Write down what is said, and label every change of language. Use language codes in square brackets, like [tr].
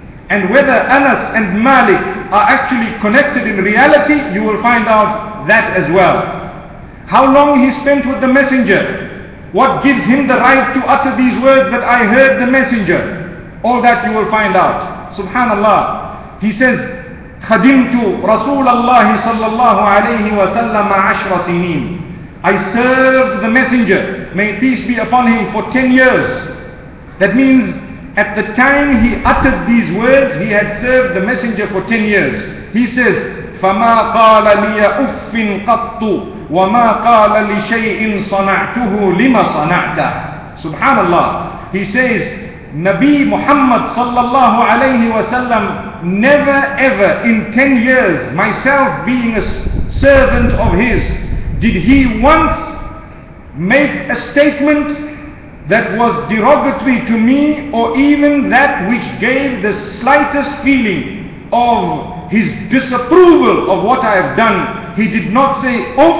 [en] And whether Anas and Malik are actually connected in reality, you will find out that as well. How long he spent with the Messenger? What gives him the right to utter these words that I heard the Messenger? All that you will find out. [ar] Subhanallah. [en] He says, [ar] خَدِمْتُ رَسُولَ اللَّهِ صَلَّى اللَّهُ عَلَيْهِ وَسَلَّمَ عَشْرَ سِنِينَ. [en] I served the Messenger, may peace be upon him, for 10 years. That means at the time he uttered these words, he had served the Messenger for 10 years. He says, [ar] فَمَا قَالَ لِيَ أُفٍّ قَطُّ وَمَا قَالَ لِشَيْءٍ صَنَعْتُهُ لِمَ صَنَعْتَ. Subhanallah. [en] He says, Nabi Muhammad sallallahu alayhi wa sallam never ever in 10 years, myself being a servant of his, did he once make a statement that was derogatory to me, or even that which gave the slightest feeling of his disapproval of what I have done. He did not say,